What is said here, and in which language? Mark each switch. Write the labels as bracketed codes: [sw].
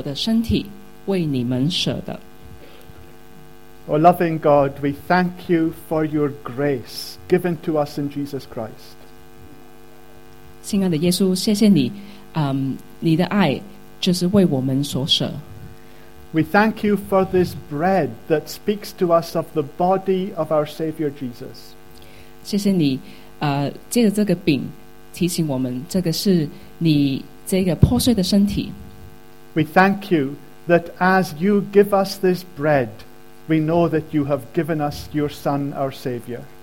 [zh] 在耶稣被卖的那一夜，他拿起饼来，祝谢之后，就掰开饼，说，这是我的身体，为你们舍的。 [en] O loving God, we thank you for your grace given to us in Jesus Christ. [zh] 亲爱的耶稣，谢谢你，你的爱就是为我们所舍。 [en] We thank you for this bread that speaks to us of the body of our Savior Jesus. [zh] 谢谢你，借着这个饼提醒我们，这个是你这个破碎的身体。 [en] We thank you that as you give us this bread, we know that you have given us your Son, our Savior.